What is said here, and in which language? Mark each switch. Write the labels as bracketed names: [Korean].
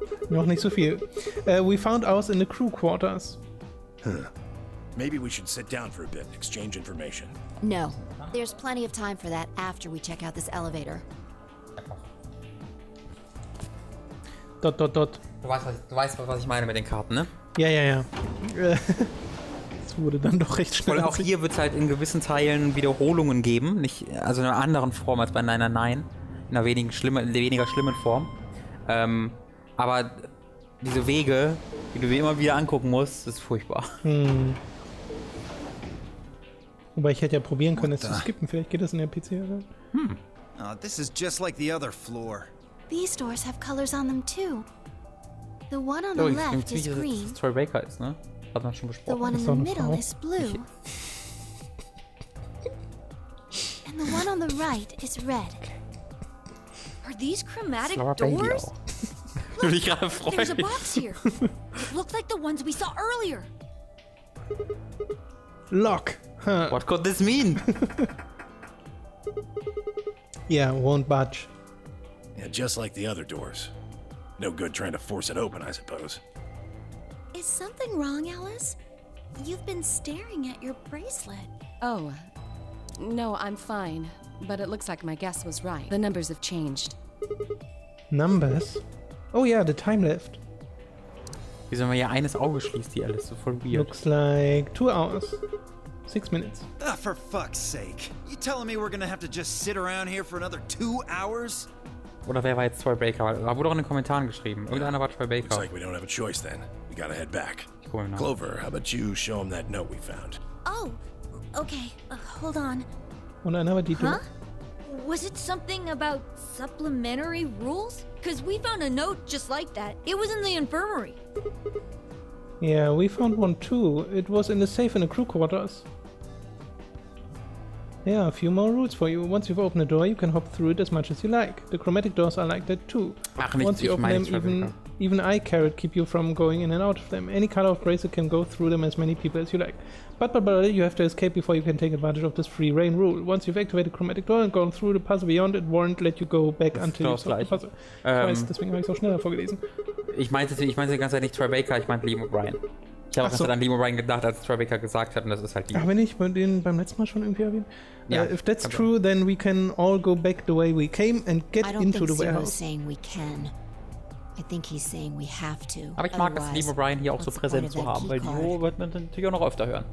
[German] Noch nicht so viel. [English] We found ours in the crew quarters. Huh. Maybe we should sit down for a bit and exchange information. No. There's plenty of time for that after we check out this elevator. Dot dot dot. [German] Du weißt, was ich meine mit den Karten, ne? Ja, ja, ja. Wurde dann doch recht schnell. Und auch hier wird es halt in gewissen Teilen Wiederholungen geben. Nicht, also in einer anderen Form als bei 999. In einer weniger schlimmen Form. Aber diese Wege, die du dir immer wieder angucken musst, ist furchtbar. Hm. Wobei ich hätte ja probieren können, es zu skippen. Vielleicht geht das in der PC oder? Hm. [English] Oh, this is just like the other floor. These doors have colors on them too. The one on the left is green. [German] Das Troy Baker ist, ne? Hat man schon besprochen. [English] The one in the middle is blue. And the one on the right is red. Are these chromatic doors? Look, there's a box here. Looks like the ones we saw earlier. Lock. Huh. What could this mean? Yeah, won't budge. Yeah, just like the other doors. No good trying to force it open, I suppose. Is something wrong, Alice? You've been staring at your bracelet. Oh, no, I'm fine. But it looks like my guess was right. The numbers have changed. Numbers? Oh yeah, the time left. [German] Wie sollen wir hier eines Auge schließen, die alles so voll weird. [English] Looks like 2 hours. 6 minutes. Ah, for fuck's sake. You telling me we're gonna have to just sit around here for another 2 hours? [German] Oder wer war jetzt Troy Baker? Da wurde auch in den Kommentaren geschrieben. Irgendeiner war Troy Baker. [English] Looks like we don't have a choice then. We gotta head back. Clover, how about you show him that note we found? Oh, okay. Hold on. [German] Und dann haben wir die [English] huh? Was it something about supplementary rules? Because we found a note just like that. It was in the infirmary. Yeah, we found one too. It was in the safe in the crew quarters. Yeah, a few more rules for you. Once you've opened the door, you can hop through it as much as you like. The chromatic doors are like that too. [German] Ach, nicht, [English] once you open them, even I carrot keep you from going in and out of them. Any color of bracer can go through them as many people as you like. But you have to escape before you can take advantage of this free reign rule. Once you've activated the chromatic door and gone through the puzzle beyond, it won't let you go back [German] das [English] until you solve the puzzle. [German] Deswegen habe ich es auch schneller vorgelesen. Ich meinte die ganze Zeit nicht Troy Baker, ich meinte Liam O'Brien. Ich habe gerade an Liam O'Brien gedacht, als Troy Baker gesagt hat, und das ist halt die. Aber nicht, bei denen beim letzten Mal schon irgendwie erwähnt. Ja, [English] if that's true, then we can all go back the way we came and get into the warehouse. I don't think we can. I think he's saying we have to. [German] Aber ich mag es, Liam O'Brien hier auch so präsent zu haben, weil die Ruhe wird man natürlich auch noch öfter hören.